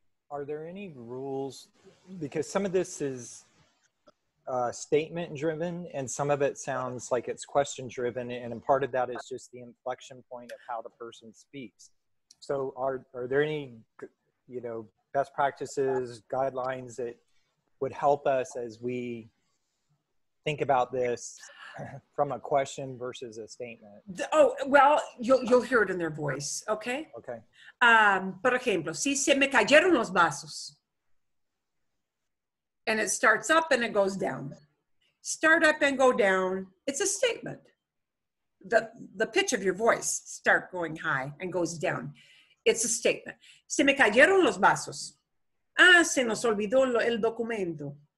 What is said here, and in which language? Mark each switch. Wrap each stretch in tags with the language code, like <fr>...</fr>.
<en>Are there any rules, because some of this is statement driven and some of it sounds like it's question driven, and part of that is just the inflection point of how the person speaks. So are there any, you know, best practices, guidelines that would help us as we think about this from a question versus a statement? You'll hear it in their voice, okay? Okay.</en> <es>Por ejemplo, si se me cayeron los vasos.</es> <en>And it starts up and it goes down. Start up and go down, it's a statement. The pitch of your voice start going high and goes down. It's a statement.</en> <es>Se me cayeron los vasos. Ah, se nos olvidó el documento.</es>